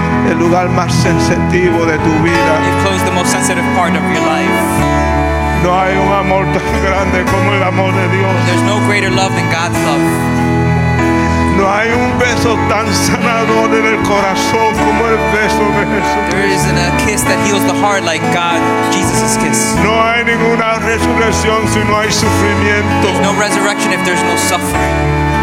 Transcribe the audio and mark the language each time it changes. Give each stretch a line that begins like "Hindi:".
Spanish: El lugar más sensitivo de tu vida.
English: You've closed the most sensitive part of your life.
Spanish: No hay un amor tan grande como el amor de Dios.
English: There's no greater love than God's love.
Spanish: No hay un beso tan sanador en el corazón como el beso de Jesús.
English: There isn't a kiss that heals the heart like God, Jesus' kiss.
Spanish: No hay ninguna resurrección si no hay sufrimiento.
English: There's no resurrection if there's no suffering.